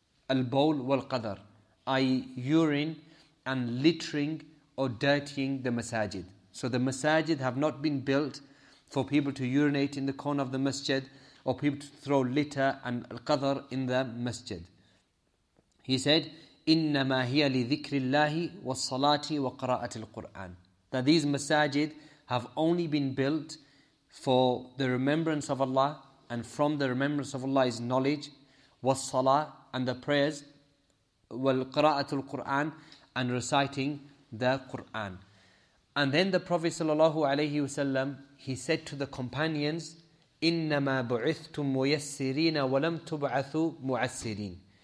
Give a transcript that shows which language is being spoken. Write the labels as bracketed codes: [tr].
[en] Al-bawl wal-qadar, i.e. urine and littering or dirtying the masajid. So the masajid have not been built for people to urinate in the corner of the masjid, or people to throw litter and al-qadr in the masjid. He said, [ar] إِنَّمَا هِيَ لِذِكْرِ اللَّهِ وَالصَّلَاةِ وَقْرَاءَةِ الْقُرْآنِ. [en] That these masajid have only been built for the remembrance of Allah, and from the remembrance of Allah is knowledge, [ar] وَالصَّلَاةِ, [en] and the prayers, [ar] وَالْقَرَاءَةُ الْقُرْآنِ, [en] and reciting the Qur'an. And then the Prophet sallallahu alaihi wasallam, he said to the companions, [ar] إِنَّمَا بُعِثْتُمْ مُيَسِّرِينَ وَلَمْ تُبْعَثُوا مُعَسِّرِينَ.